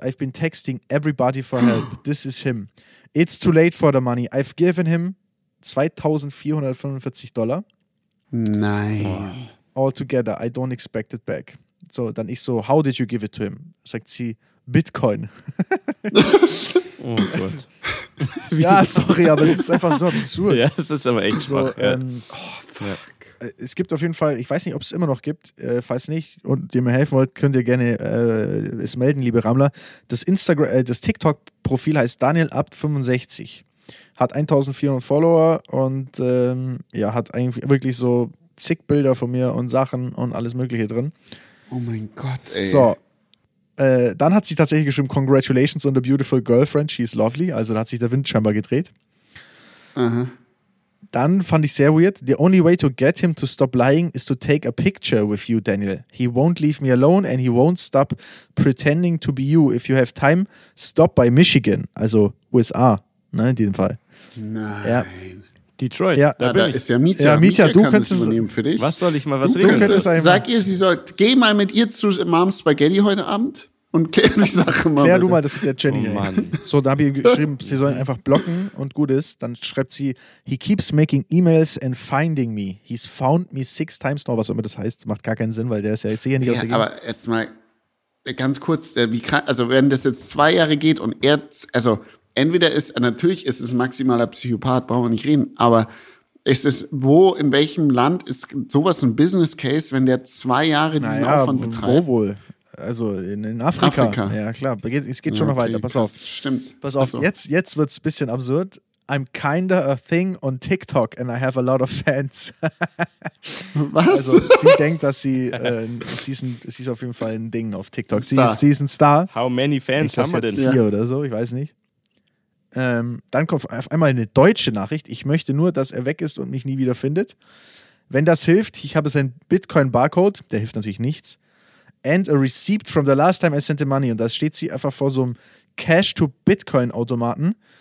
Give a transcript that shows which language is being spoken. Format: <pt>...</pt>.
<en>I've been texting everybody for help. This is him. It's too late for the money. I've given him</en> <de>2445 Dollar. Nein.</de> <en>All together, I don't expect it back.</en> <de>So, dann ich so,</de> <en>how did you give it to him?</en> <de>Sagt sie, Bitcoin. Oh Gott. Ja, sorry, aber es ist einfach so absurd. Ja, das ist aber echt so schwach. Oh, fuck. Ja. Es gibt auf jeden Fall, ich weiß nicht, ob es immer noch gibt, falls nicht und ihr mir helfen wollt, könnt ihr gerne es melden, liebe Rammler. Das Instagram, das TikTok-Profil heißt DanielAbt65. Hat 1400 Follower und ja, hat eigentlich wirklich so zig Bilder von mir und Sachen und alles Mögliche drin. Oh mein Gott, ey. So. Dann hat sie tatsächlich geschrieben,</de> <en>congratulations on the beautiful girlfriend, she's lovely.</en> <de>Also da hat sich der Wind scheinbar gedreht. Dann fand ich sehr weird,</de> <en>the only way to get him to stop lying is to take a picture with you, Daniel. He won't leave me alone and he won't stop pretending to be you. If you have time, stop by Michigan.</en> <de>Also USA, ne, in diesem Fall. Nein. Ja. Detroit, ja, da bin ich. Ist ja Mietja. Ja, Mietja, du könntest es übernehmen für dich. Was soll ich mal, was du regeln? Du einmal. Sag ihr, sie soll, geh mal mit ihr zu Mom's Spaghetti heute Abend und klär die Sache mal. Klär bitte. Du mal das mit der Jenny. Oh Mann. So, da habe ich geschrieben, sie sollen einfach blocken und gut ist. Dann schreibt sie,</de> <en>he keeps making emails and finding me. He's found me 6 times now,</en> <de>was immer das heißt. Macht gar keinen Sinn, weil der ist ja, ich sehe ja nicht aus der Gegend. Aber erstmal ganz kurz, wie kann, also wenn das jetzt 2 Jahre geht und er, also entweder ist, natürlich ist es maximaler Psychopath, brauchen wir nicht reden, aber ist es, wo, in welchem Land ist sowas ein Business Case, wenn der 2 Jahre diesen, naja, Aufwand betreibt? Wo wohl? Also in Afrika. Afrika. Ja, klar, es geht schon, okay, noch weiter, pass auf. Stimmt. Pass auf, also. jetzt wird es ein bisschen absurd.</de> <en>I'm kinda a thing on TikTok and I have a lot of fans.</en> <de>Was? Also sie denkt, dass sie, sie ist auf jeden Fall ein Ding auf TikTok. Sie ist ein Star.</de> <en>How many</en> <de>Fans haben wir denn? 4 oder so, ich weiß nicht. Dann kommt auf einmal eine deutsche Nachricht. Ich möchte nur, dass er weg ist und mich nie wieder findet. Wenn das hilft, ich habe seinen Bitcoin-Barcode, der hilft natürlich nichts,</de> <en>and a receipt from the last time I sent the money.</en> <de>Und da steht sie einfach vor so einem Cash-to-Bitcoin-Automaten.</de>